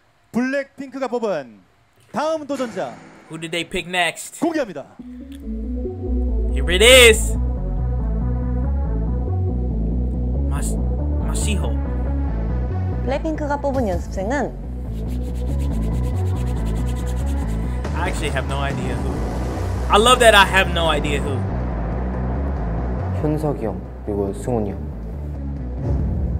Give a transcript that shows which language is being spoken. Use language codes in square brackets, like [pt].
[ko] 블랙핑크가 뽑은 다음 도전자. [en] Who did they pick next? [ko] 공개합니다. [en] Here it is. [ko] Masiho. 블랙핑크가 뽑은 연습생은. [en] I actually have no idea who. I love that I have no idea who. [ko] 현석이 형 그리고 승훈이 형.